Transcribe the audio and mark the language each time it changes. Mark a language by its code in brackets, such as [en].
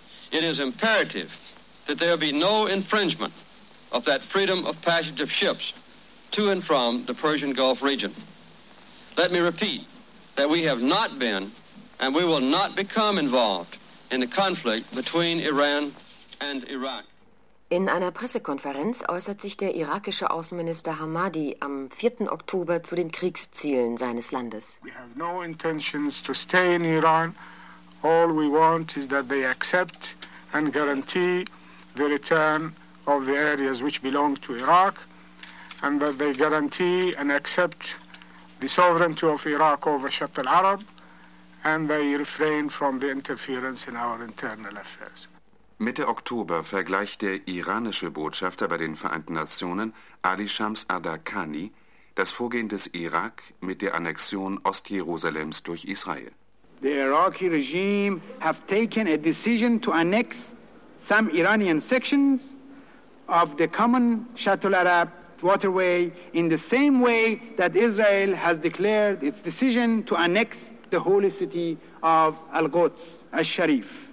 [en] It is imperative that there be no infringement of that freedom of passage of ships to and from the Persian Gulf region. Let me repeat that we have not been and we will not become involved in the conflict between Iran and Iraq. [de] In einer Pressekonferenz äußert sich der irakische Außenminister Hamadi am 4. Oktober zu den Kriegszielen seines Landes. [en] We have no intentions to stay in Iran. All we want is that they accept and guarantee the return of the areas which belong to Iraq and that they guarantee and accept the sovereignty of Iraq over Shatt al-Arab and they refrain from the interference in our internal affairs. [de] Mitte Oktober vergleicht der iranische Botschafter bei den Vereinten Nationen, Ali Shams Adakani, das Vorgehen des Irak mit der Annexion Ostjerusalems durch Israel. [en] The Iraqi regime have taken a decision to annex some Iranian sections of the common Shatt al-Arab waterway in the same way that Israel has declared its decision to annex the holy city of Al-Quds al-Sharif.